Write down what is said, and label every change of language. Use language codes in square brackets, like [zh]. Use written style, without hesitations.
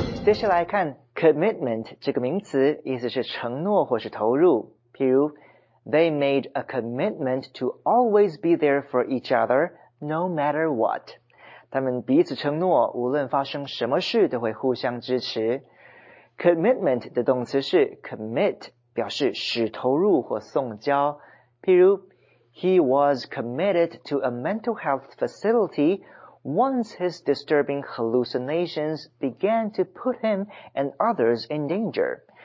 [en] Commitment [zh] 这个名词, 意思是承诺或是投入, 譬如, [en] they made a commitment to always be there for each other, no matter what. [zh] 他们彼此承诺, 无论发生什么事都会互相支持。 Commitment 的动词是 commit, 表示使投入或送交。譬如, [en] he was committed to a mental health facility once his disturbing hallucinations began to put him and others in danger.